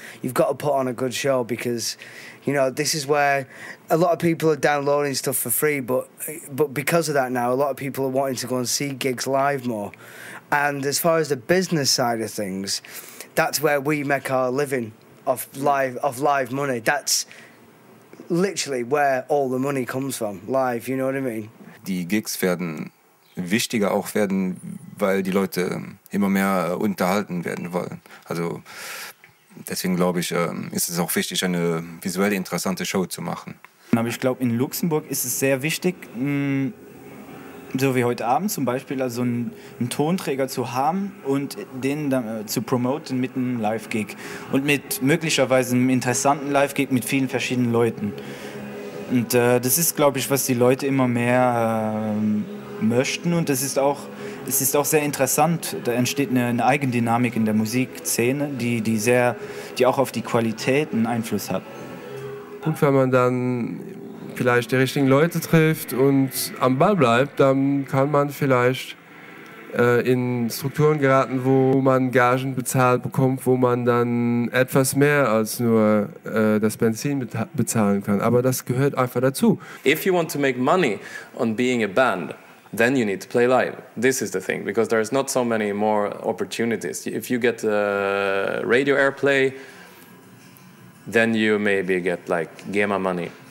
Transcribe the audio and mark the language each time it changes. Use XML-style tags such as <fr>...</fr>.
<en>You've got to put on a good show because, you know, this is where a lot of people are downloading stuff for free, but because of that now, a lot of people are wanting to go and see gigs live more. And as far as the business side of things, that's where we make our living off live money. That's literally where all the money comes from, live, you know what I mean?</en> <de>Die Gigs werden wichtiger auch werden, weil die Leute immer mehr unterhalten werden wollen. Also deswegen glaube ich, ist es auch wichtig, eine visuell interessante Show zu machen. Aber ich glaube, in Luxemburg ist es sehr wichtig, so wie heute Abend zum Beispiel, also einen Tonträger zu haben und den dann zu promoten mit einem Live-Gig und mit möglicherweise einem interessanten Live-Gig mit vielen verschiedenen Leuten. Und das ist, glaube ich, was die Leute immer mehr möchten, und es ist auch sehr interessant. Da entsteht eine Eigendynamik in der Musikszene, die auch auf die Qualität einen Einfluss hat. Und wenn man dann vielleicht die richtigen Leute trifft und am Ball bleibt, dann kann man vielleicht in Strukturen geraten, wo man Gagen bezahlt bekommt, wo man dann etwas mehr als nur das Benzin bezahlen kann. Aber das gehört einfach dazu.</de> <en>If you want to make money on being a band, then you need to play live. This is the thing, because there is not so many more opportunities. If you get radio airplay, then you maybe get like GEMA money.</en>